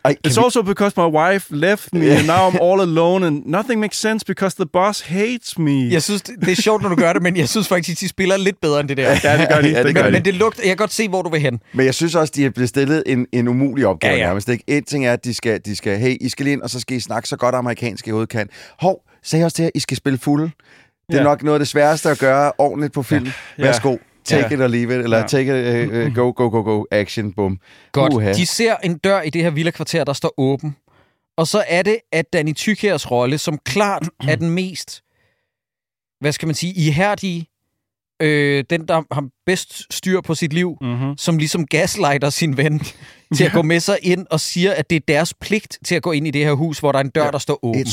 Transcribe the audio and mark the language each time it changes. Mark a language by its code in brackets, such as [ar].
[en] Also because my wife left me and now I'm all alone and nothing makes sense because the boss hates me. [da] Jeg synes det er sjovt når du gør det, men jeg synes faktisk de spiller lidt bedre end det der. Ja, det gør de. Men det lugter. Jeg kan godt se hvor du vil hen. Men jeg synes også de er blevet stillet en umulig opgave nærmest. Ikke? En ting er at de skal hey, I skal ind og så skal I snakke så godt amerikansk I kan. Hov, sagde også til jer, I skal spille fuld. Det er nok noget af det sværeste at gøre ordentligt på film. Ja. Værsgo. [en] Take it or leave it, [da] eller [en] take it, go, action, boom. [da] Godt. Uh-huh. De ser en dør i det her villakvarter, der står åben. Og så er det, at Danny Tykjærs rolle, som klart er den mest, hvad skal man sige, ihærdige, den, der har bedst styr på sit liv, som ligesom gaslighter sin ven til at gå med sig ind og siger, at det er deres pligt til at gå ind i det her hus, hvor der er en dør, der står åben.